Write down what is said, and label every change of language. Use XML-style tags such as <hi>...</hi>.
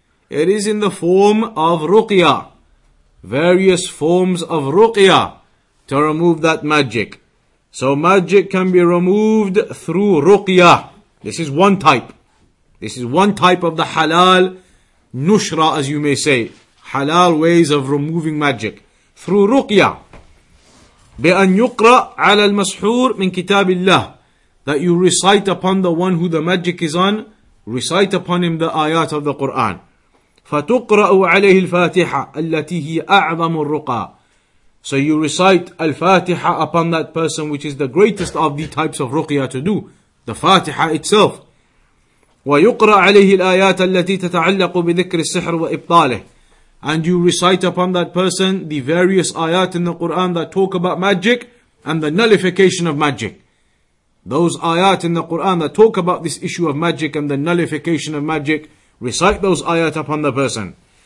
<en>It is in the form of ruqya. Various forms of ruqya to remove that magic. So magic can be removed through ruqya. This is one type. This is one type of the halal nushra, as you may say. Halal ways of removing magic through ruqya.</en> <ar>بأن يقرأ على المسحور من كتاب الله.</ar> <en>That you recite upon the one who the magic is on, recite upon him the ayat of the Quran.</en> <ar>فتقرأ عليه الفاتحة التي هي أعظم الرقى.</ar> <en>So you recite al-fatiha upon that person, which is the greatest of the types of ruqya to do, the fatiha itself.</en> <ar>ويقرأ عليه الآيات التي تتعلق بذكر السحر وإبطاله.</ar> <en>And you recite upon that person the various ayat in the Quran that talk about magic and the nullification of magic. Those ayat in the Quran that talk about this issue of magic and the nullification of magic, recite those ayat upon the person.</en>